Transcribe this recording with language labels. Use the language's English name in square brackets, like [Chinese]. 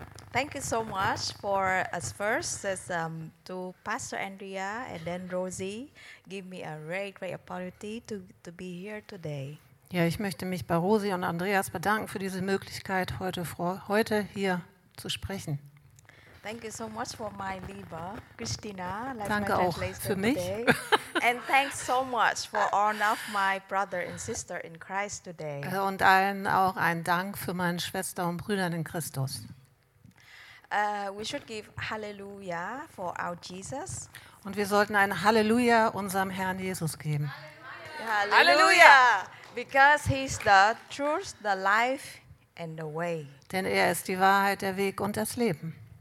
[English] Thank you so much for as first as to Pastor Andrea and then Rosie give me a great opportunity to be here today. [German] Ja, ich möchte mich bei Rosie und Andreas bedanken für diese Möglichkeit heute hier zu sprechen. [English] Thank you so much for my [German] liebe [English] Christina, [German] like danke [English] my [German] auch für mich. [English] And thanks so much for all of my brother and sister in Christ today. [German] Und allen auch ein Dank für meine Schwestern und Brüder in Christus. [English] We should give hallelujah for our Jesus. [German] Und wir sollten ein Halleluja unserem Herrn Jesus geben. Halleluja! [English] Because he's the truth, the life and the way. [German] Denn er ist die Wahrheit, der Weg und das Leben.